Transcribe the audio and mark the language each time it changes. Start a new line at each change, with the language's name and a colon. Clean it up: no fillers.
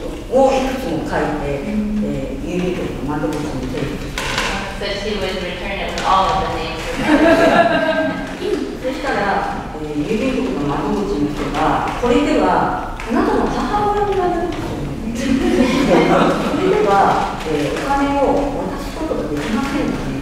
Japanese: をいくつも書いて、郵便局の窓口に提出して。
English: So she was returning with all of the names.
Japanese: そしたら、郵便局の窓口の人が、これでは、あなたの母親になるんですよ。それでは、お金を渡すことができませんよ。